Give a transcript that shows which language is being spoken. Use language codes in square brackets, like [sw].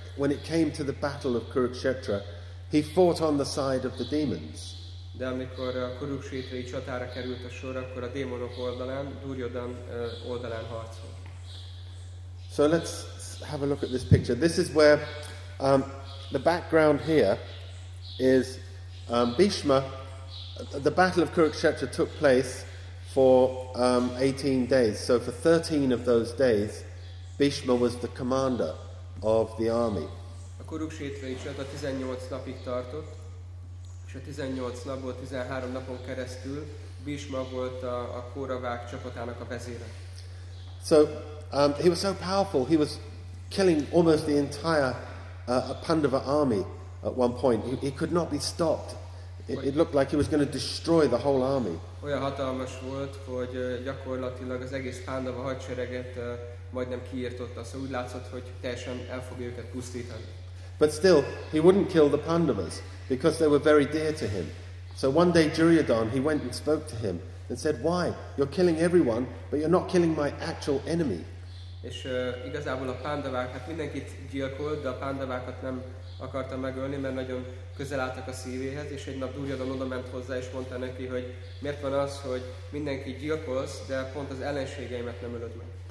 [en] When it came to the battle of Kurukshetra, he fought on the side of the demons. [hu] De amikor a Kurukshetrai csatára került a sor, akkor a démonok oldalán, Duryodhan oldalán harcolt. [en] So let's have a look at this picture. This is where the background here is Bhishma. The battle of Kurukshetra took place for 18 days. So for 13 of those days, Bhishma was the commander of the army. [hu] A Kurukshetrai csata 18 napig tartott. És a 18 napból 13 napon keresztül Bhishma volt a Kauravák csapatának a vezére. [en] So he was so powerful, he was killing almost the entire Pandava army at one point. He could not be stopped. It looked like he was going to destroy the whole army. [hu] Olyan hatalmas volt, hogy gyakorlatilag az egész Pándava hadsereget majdnem kiirtotta, szóval úgy látszott, hogy teljesen el fogja őket pusztítani. [en] But still, he wouldn't kill the Pandavas because they were very dear to him. So one day Duryodhan, he went and spoke to him and said, "Why? You're killing everyone, but you're not killing my actual enemy." [hu] És igazából a Pándavákat mindenkit gyilkolt, de a Pándavákat nem akarta megölni, mert nagyon közel álltak a szívéhez, és egy nap Duryodhan oda ment hozzá, és mondta neki, hogy miért van az, hogy mindenki gyilkolsz, de pont az ellenségeimet nem ölöd meg.